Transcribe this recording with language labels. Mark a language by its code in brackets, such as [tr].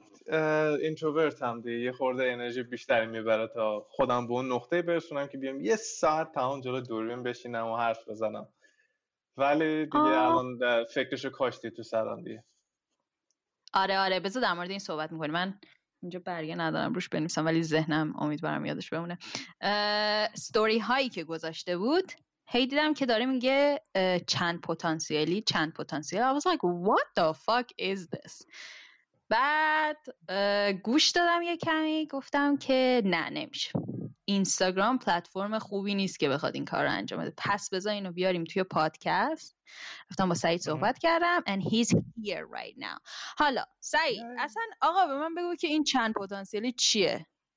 [fa] اینتروورت هم دیگه یه خورده انرژی بیشتری میبره تا خودم به اون نقطه برسونم که بیام یه ساعت تمام جلو دوربین بشینم و حرف بزنم، ولی دیگه الان فکرشو کاشتی تو سرم دیگه. آره بذار در مورد این صحبت میکنی. من اینجا برگه ندارم روش بنویسم ولی ذهنم امیدوارم یادش بمونه. استوری هایی که گذاشته بود هی دیدم که داره میگه چند پتانسیلی. [en] I was like what the fuck is this. [fa] بعد گوش دادم یه کمی، گفتم که نه نمیشه، اینستاگرام پلتفرم خوبی نیست که بخواد این کار رو انجام بده، پس بذار اینو بیاریم توی پادکست. رفتم با سعید صحبت کردم [en] and he's here right now. [fa] حالا سعید اصلا آقا به من بگو که این چند پتانسیلی چیه.